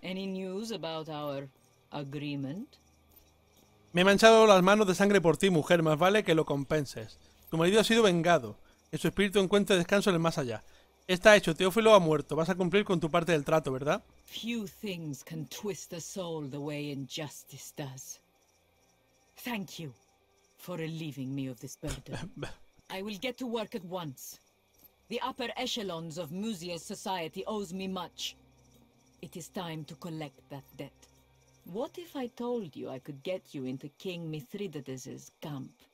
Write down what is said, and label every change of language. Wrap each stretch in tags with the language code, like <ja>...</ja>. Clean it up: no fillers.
<en>Any news about our agreement?</en> <es>Me he manchado las manos de sangre por ti, mujer. Más vale que lo compenses. Tu marido ha sido vengado. que su espíritu encuentre descanso en el más allá. Está hecho, Teófilo ha muerto. Vas a cumplir con tu parte del trato, ¿verdad?</es> <en>Few things can twist a soul the way injustice does. Thank you for relieving me of this burden. I will get to work at once. The upper echelons of Musia's society owes me much. It is time to collect that debt. What if I told you I could get you into King Mithridates' camp?</en>